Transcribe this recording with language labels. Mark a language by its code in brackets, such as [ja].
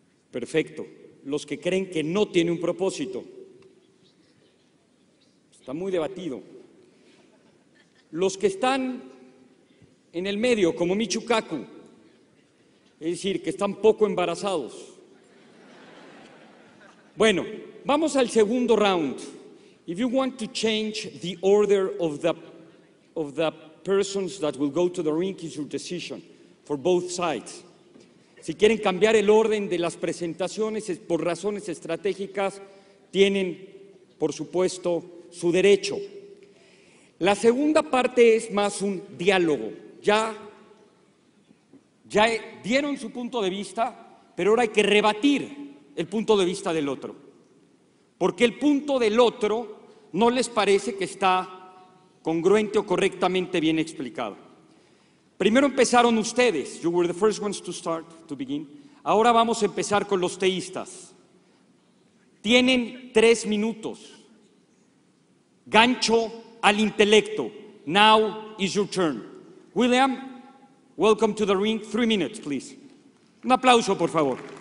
[es] Perfecto. Los que creen que no tiene un propósito. Está muy debatido. Los que están en el medio, como Michio, Kaku, es decir, que están poco embarazados. Bueno, vamos al segundo round. [en] If you want to change the order of the persons that will go to the ring, it's your decision for both sides. [es] Si quieren cambiar el orden de las presentaciones por razones estratégicas, tienen, por supuesto, su derecho. La segunda parte es más un diálogo. Ya dieron su punto de vista, pero ahora hay que rebatir el punto de vista del otro. Porque el punto del otro no les parece que está congruente o correctamente bien explicado. Primero empezaron ustedes. [en] You were the first ones to start, to begin. [es] Ahora vamos a empezar con los teístas. Tienen 3 minutos. Gancho al intelecto. [en] Now is your turn. William, welcome to the ring. 3 minutes, please. [es] Un aplauso, por favor.